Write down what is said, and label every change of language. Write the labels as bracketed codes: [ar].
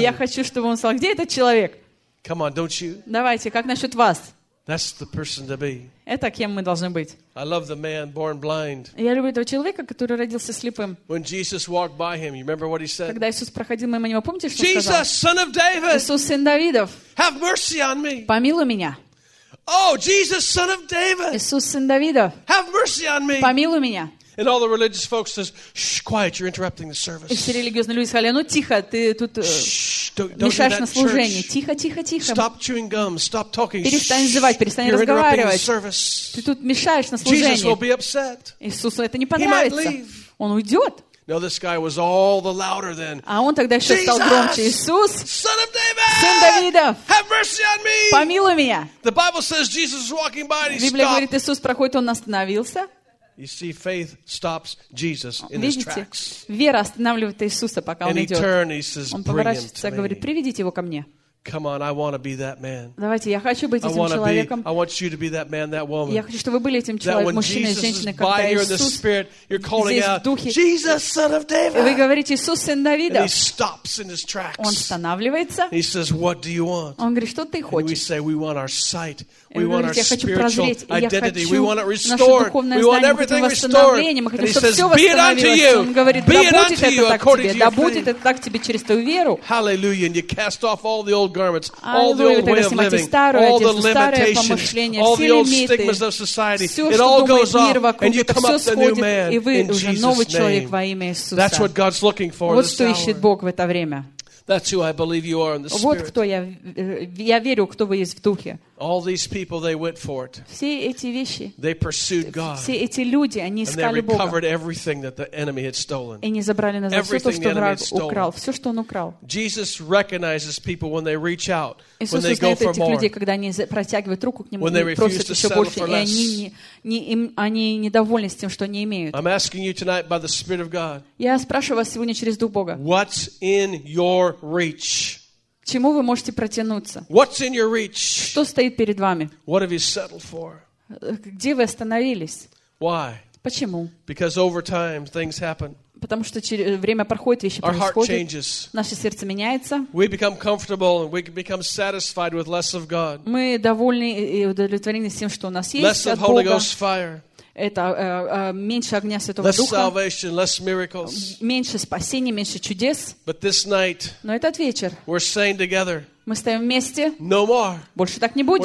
[ru] Я хочу, чтобы он сказал, где этот человек? [en] Come on, don't you? [ru] Давайте, как насчет вас? [en] That's the person to be. [ru] Это кем мы должны быть? [en] I love the man born blind. [ru] Я люблю этого человека, который родился слепым. [en] When Jesus walked by him, you remember what he said? [ru] Когда Иисус проходил мимо него, помните, что [en] Jesus, [ru] сказал? [en] Son of David. [ru] Иисус, сын Давидов. [en] Have mercy on me. [ru] Помилуй меня. [en] Oh, Jesus, son of David. [ru] Иисус, сын Давидов. [en] Have mercy on me. [ru] Помилуй меня. [en] And all the religious folks says, "Shh, quiet! You're interrupting the service." [ru] Все религиозные люди сказали: "Ну тихо, ты тут мешаешь на служении. Тихо, тихо, тихо. [en] Stop chewing gum. Stop talking. [ru] Перестань зевать, перестань разговаривать. Ты тут мешаешь на служении. [en] Jesus will be upset. [ru] Иисусу это не понравится. Он уйдет. [en] No, this guy was all the louder then. [ru] А он тогда еще стал громче. Иисус, [en] Son of David, [ru] сын Давидов, [en] have mercy on me. [ru] Помилуй меня. [en] The Bible says Jesus is walking by. He [ru] Библия говорит, Иисус проходит, он остановился. [en] You see, faith stops Jesus in his tracks. [ru] Вера останавливает Иисуса, пока он идет. [en] And he turns, he says, [ru] "Он поворачивается, говорит, приведите его ко мне." [en] Come on, I want to be that man. [ru] Давайте, я хочу быть этим человеком. [en] I want you to be that man, that woman. [ru] Я хочу, чтобы вы были этим человеком, мужчиной, женщиной, когда Иисус. [en] By here in the Spirit, you're calling out, "Jesus, Son of David." [ru] Вы говорите, Иисус, сын Давида. [en] And he stops in his tracks. [ru] Он останавливается. [en] He says, "What do you want?" [ru] Он говорит, что ты хочешь? [en] We say, "We want our sight." We want our spiritual identity. We want it restored. We want everything restored. And he says, "Be it unto you." Be it unto you according to your faith. Hallelujah! And you cast off all the old garments, all the old way of living, all the limitations, all the old stigmas of society. It all goes off, and you come up the new man in Jesus' name. That's what God's looking for in this hour. That's who I believe you are in the Spirit. [ru] Вот кто я верю, кто вы есть в духе. [en] All these people, they went for it. [ru] Все эти вещи. [en] They pursued God. [ru] Все эти люди, они искали Бога. [en] And they recovered everything that the enemy had stolen. [ru] И они забрали назад все то, что враг украл, все, что он украл. [en] Jesus recognizes people when they reach out, when they go for more. [ru] Иисус знает этих людей, когда они протягивают руку к нему и просят еще больше, и они недовольны тем, что они имеют. [en] I'm asking you tonight by the Spirit of God. [ru] Я спрашиваю вас сегодня через дух Бога. [en] What's in your reach? [ru] Чему вы можете протянуться? [en] What's in your reach? [ru] Что стоит перед вами? [en] What have you settled for? [ru] Где вы остановились? [en] Why? [ru] Почему? [en] Because over time things happen. [ru] Потому что время проходит, вещи [en] our [ru] происходят. Наше сердце меняется. [en] We become comfortable and we become satisfied with less of God. [ru] Мы довольны и удовлетворены тем, что у нас есть [en] less [ru] от Бога. [en] Less of Holy Ghost fire. [ru] Это меньше огня Святого [en] less [ru] Духа, [en] salvation, less miracles. [ru] Меньше спасений, меньше чудес. [en] But this night, [ru] но этот вечер [en] we're saying together, [ru] мы стоим вместе. [en] No more. [ru] Больше так не будет.